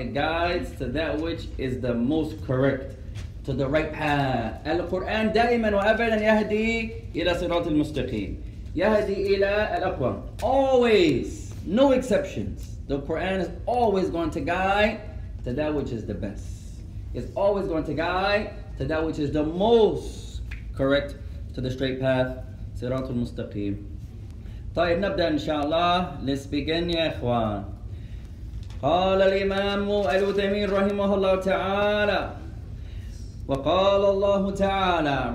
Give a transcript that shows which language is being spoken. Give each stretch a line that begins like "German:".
English: It guides to that which is the most correct. To the right path.
Arabic: القرآن دائما وأبدا يهدي إلى صراط المستقيم. يَهَدِي إِلَىٰ الْأَقْوَمِ.
English: Always, no exceptions. The Quran is always going to guide to that which is the best. It's always going to guide to that which is the most correct, to the straight path,
Arabic: صراط المستقيم. طيب نبدأ إن شاء الله.
English: Let's begin,
Arabic: يا إخوان. قال الإمام الأوثيمين رحمه الله تعالى وقال الله تعالى.